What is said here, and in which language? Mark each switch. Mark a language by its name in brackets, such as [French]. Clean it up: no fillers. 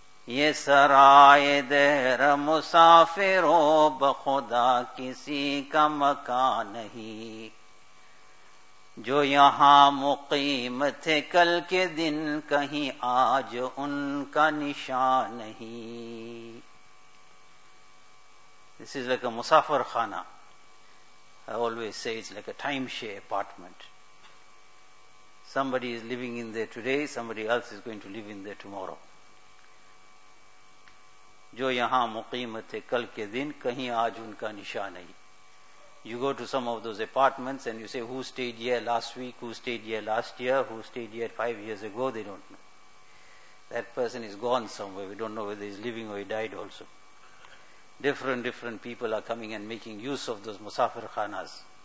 [Urdu] یہ سرائے دہر مسافرو بخدا کسی کا مکان نہیں، جو یہاں مقیم تھے کل کے دن کہیں آج ان کا نشان نہیں. [English] This is like a musafir khana. I always say it's like a timeshare apartment. Somebody is living in there today, somebody else is going to live in there tomorrow. [Urdu] جو یہاں مقیم تھے کل کے دن کہیں آج ان کا نشان نہیں. [English] You go to some of those apartments and you say, who stayed here last week, who stayed here last year, who stayed here 5 years ago, they don't know. That person is gone somewhere, we don't know whether he's living or he died also. Different people are coming and making use of those musafir khanas.